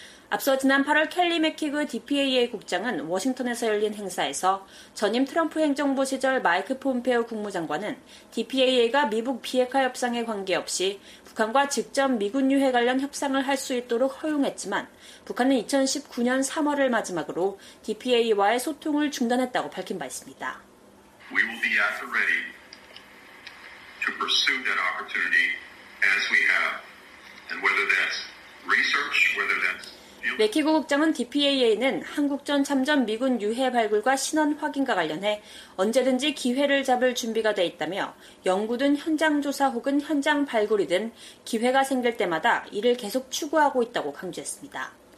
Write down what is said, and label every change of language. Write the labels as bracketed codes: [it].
[ko] 앞서 지난 8월 켈리 맥키그 DPAA 국장은 워싱턴에서 열린 행사에서 전임 트럼프 행정부 시절 마이크 폼페오 국무장관은 DPAA가 미국 비핵화 협상에 관계없이 북한과 직접 미군 유해 관련 협상을 할 수 있도록 허용했지만 북한은 2019년 3월을 마지막으로 DPAA와의 소통을 중단했다고 밝힌 바 있습니다. [en] We will be at the ready to pursue that opportunity as we have, and whether that's research, whether that's [ko] 맥키고 국장은 DPAA는 한국전 참전 미군 유해 발굴과 신원 확인과 관련해 언제든지 기회를 잡을 준비가 돼 있다며 연구든 현장 조사 혹은 현장 발굴이든 기회가 생길 때마다 이를 계속 추구하고 있다고 강조했습니다.